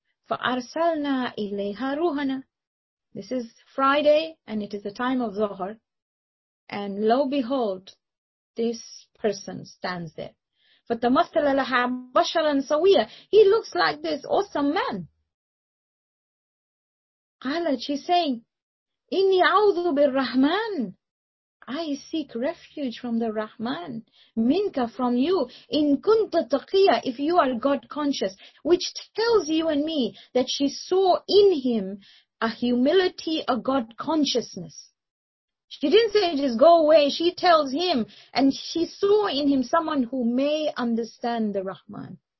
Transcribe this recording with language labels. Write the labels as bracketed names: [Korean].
[Arabic] فَأَرْسَلْنَا إِلَيْهَا رُوحَنَا. [English] This is Friday, and it is the time of Zohar. And lo and behold, this person stands there. [Arabic] فَتَمَثَّلَ لَهَا بَشَرًا سَوِيًّا. [English] He looks like this awesome man. [Arabic] قَالَتْ, [English] she's saying, [Arabic] إِنِّي أَعُوذُ بِالرَّحْمَنِ. [English] I seek refuge from the Rahman, minka, from you, [Arabic] in kunta taqiyya, [English] if you are God conscious, which tells you and me that she saw in him a humility, a God consciousness. She didn't say just go away. She tells him, and she saw in him someone who may understand the Rahman.